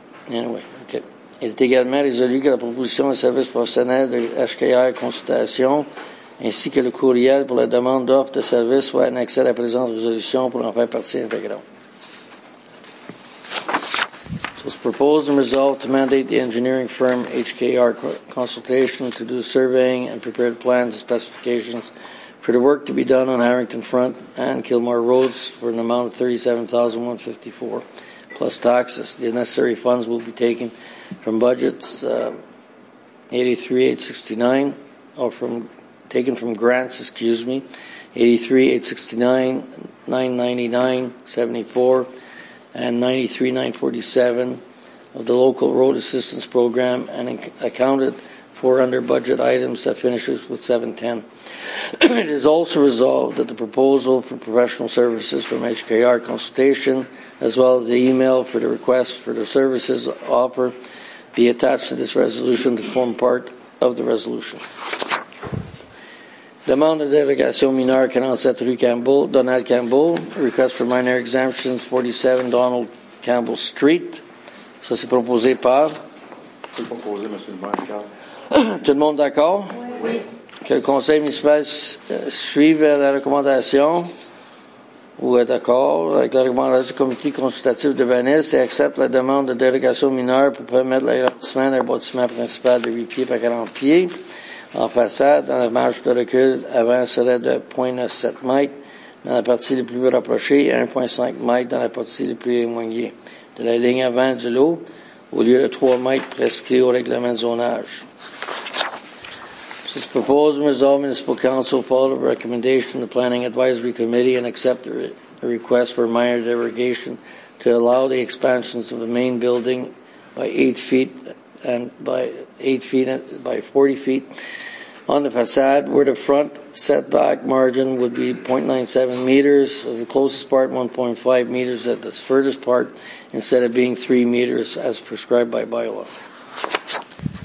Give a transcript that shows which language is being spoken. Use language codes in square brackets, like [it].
[en] Anyway, OK. [fr] Il est également résolu que la proposition de service professionnel de HKR consultation ainsi que le courriel pour la demande d'offre de service soit annexé à la présente résolution pour en faire partie intégrante. [en] Proposed and resolved to mandate the engineering firm HKR consultation to do surveying and prepare the plans and specifications for the work to be done on Harrington Front and Kilmar Roads for an amount of $37,154 plus taxes. The necessary funds will be taken from budgets 83869 or from taken from grants, excuse me, 83869, 999, 74, and 93947. Of the local road assistance program and accounted for under budget items that finishes with 710. It is also resolved that the proposal for professional services from HKR consultation, as well as the email for the request for the services offer, be attached to this resolution to form part of the resolution. [fr] Demande de dérogation mineure 47 rue Campbell, Donald Campbell. [en] Request for minor exemption 47 Donald Campbell Street. [fr] Ça, c'est proposé par... C'est proposé, M. le maire. Tout le monde d'accord? Oui. Que le conseil municipal suive la recommandation ou est d'accord avec la recommandation du comité consultatif de Venise et accepte la demande de dérogation mineure pour permettre l'agrandissement d'un bâtiment principal de 8 pieds par 40 pieds en façade dans la marge de recul avant serait de 0,97 mètres dans la partie la plus rapprochée et 1,5 mètres dans la partie la plus éloignée de la ligne avant du lot au lieu de 3 mètres prescrits au règlement de zonage. [en] This proposed resolve Municipal Council followed recommendation of the Planning Advisory Committee and accept the request for minor derogation to allow the expansions of the main building by 8 feet and by 8 feet by 40 feet on the facade where the front setback margin would be 0.97 meters, the closest part 1.5 meters at the furthest part instead of being 3 meters as prescribed by bylaw.